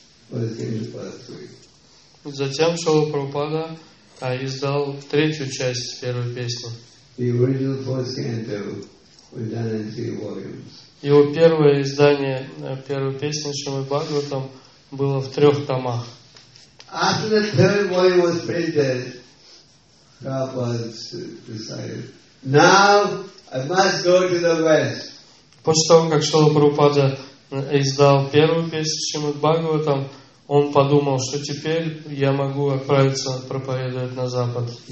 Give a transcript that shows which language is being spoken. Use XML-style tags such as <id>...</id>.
<ru>Затем Шрила Прабхупада издал третью часть первой песни. Его первое издание первой песни Шримад Бхагаватам было в трех томах.</ru> <en>After the third volume was printed, Prabhupada decided, now I must go to the West.</en> <ru>После того, как Шрила Прабхупада издал первую песню Шримад Бхагаватам, он подумал, что теперь я могу отправиться проповедовать на Запад.</ru>